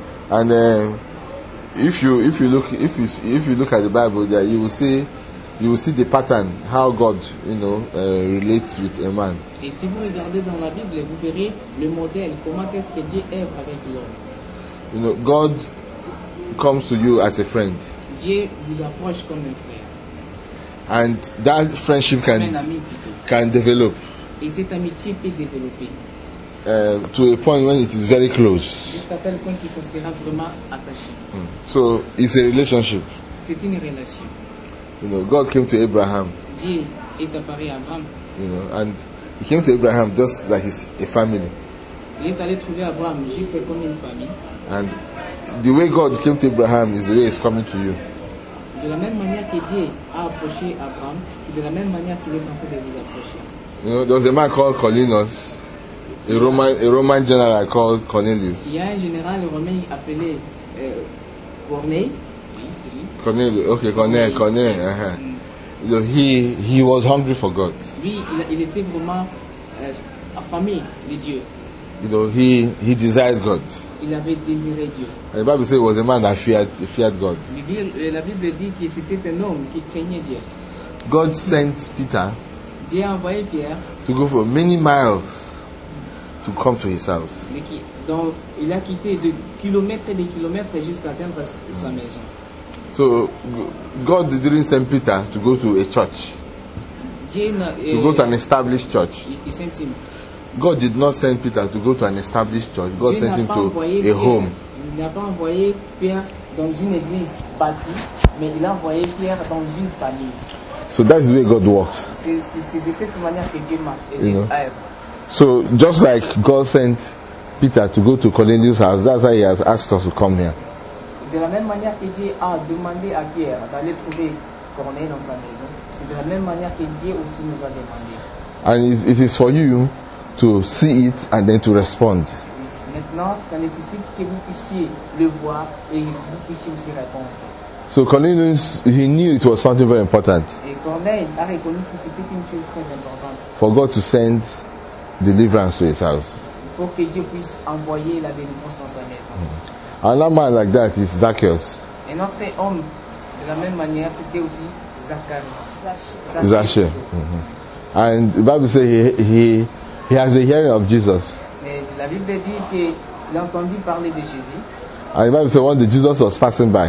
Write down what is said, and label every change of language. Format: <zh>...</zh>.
<en>And if you look at the Bible, there you will see the pattern how God, you know, relates with a man.</en> <fr>Et si vous regardez dans la Bible, vous verrez le modèle comment est-ce que Dieu est avec l'homme.</fr> <en>You know, God comes to you as a friend.</en> <fr>Dieu vous approche comme un frère.</fr> <en>And that friendship can develop.</en> <fr>Et cette amitié peut développer.</fr> <en>To a point when it is very close.</en> <fr>Jusqu'à tel point qu'il s'en sera vraiment attaché.</fr> <en>So it's a relationship.</en> <fr>C'est une relation.</fr> <en>You know, God came to Abraham.</en> <fr>Dieu est apparu à Abraham.</fr> <en>You know, and he came to Abraham just like he's a family.</en> <fr>Il est allé trouver Abraham juste comme une famille.</fr> <en>And the way God came to Abraham is the way he's coming to you.</en> <fr>De la même manière que Dieu a approché Abraham, c'est de la même manière qu'il est en train de vous approcher.</fr> <en>You know, there was a man called Colinus. A Roman general called Cornelius.</en> <fr>Il y a un général romain appelé Corneille.</fr> <en>Cornelius. Okay, Cornelius. Yes. Uh-huh. Mm. So he was hungry for God.</en> <fr>Lui, il était vraiment affamé de Dieu.</fr> <en>You know, he desired God.</en> <fr>Il avait désiré Dieu.</fr> <en>And the Bible says he was a man that feared God.</en> <fr>La Bible dit que c'était un homme qui craignait Dieu.</fr> <en>God sent Peter.</en> <fr>Dieu a envoyé Pierre.</fr> <en>To go for many miles. To come to his house.</en> <fr>Donc, il a quitté de kilomètres et de kilomètres jusqu'à atteindre sa maison.</fr> <en>So, God didn't send Peter to go to a church. To go to an established church. God did not send Peter to go to an established church. God sent him to a home.</en> <fr>Il n'a pas envoyé Pierre dans une église bâtie, mais il a envoyé Pierre dans une famille.</fr> <en>So that's the way God works.</en> <fr>C'est de cette manière que Dieu marche.</fr> <en>You know. So just like God sent Peter to go to Cornelius' house, that's why he has asked us to come here.</en> <fr>De la même manière que Dieu a demandé à Pierre d'aller trouver Cornelius dans sa maison, c'est de la même manière que Dieu aussi nous a demandé.</fr> <en>And it is for you to see it and then to respond.</en> <fr>Maintenant, ça nécessite que vous puissiez le voir et vous puissiez aussi répondre.</fr> <en>So Cornelius, he knew it was something very important.</en> <fr>Et Cornelius a reconnu que c'était une chose très importante.</fr> <en>For God to send deliverance to his house.</en> <fr>Pour que Dieu puisse envoyer la délivrance dans sa maison.</fr> <en>Another man like that is Zacchaeus.</en> <fr>Un autre homme de la même manière, c'était aussi Zacchaeus. Zacchaeus. Mm-hmm.</fr> <en>And the Bible says he has the hearing of Jesus.</en> <fr>Et la Bible dit qu'il a entendu parler de Jésus.</fr> <en>And the Bible says when Jesus was passing by.</en>